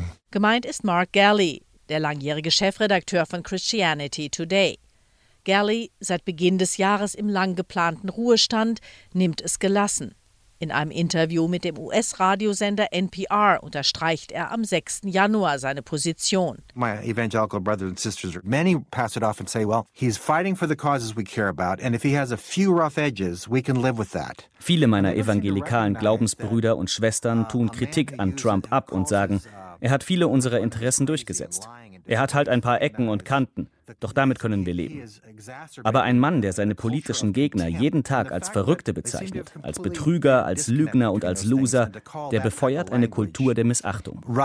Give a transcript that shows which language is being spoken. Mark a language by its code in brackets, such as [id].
[de] Gemeint ist Mark Galley, der langjährige Chefredakteur von Christianity Today. Galley, seit Beginn des Jahres im lang geplanten Ruhestand, nimmt es gelassen. In einem Interview mit dem US-Radiosender NPR unterstreicht er am 6. Januar seine Position. [en] My evangelical brothers and sisters, many pass it off and say, well, he's fighting for the causes we care about, and if he has a few rough edges, we can live with that. [de] Viele meiner evangelikalen Glaubensbrüder und Schwestern tun Kritik an Trump ab und sagen, er hat viele unserer Interessen durchgesetzt. Er hat halt ein paar Ecken und Kanten, doch damit können wir leben. Aber ein Mann, der seine politischen Gegner jeden Tag als Verrückte bezeichnet, als Betrüger, als Lügner und als Loser, der befeuert eine Kultur der Missachtung.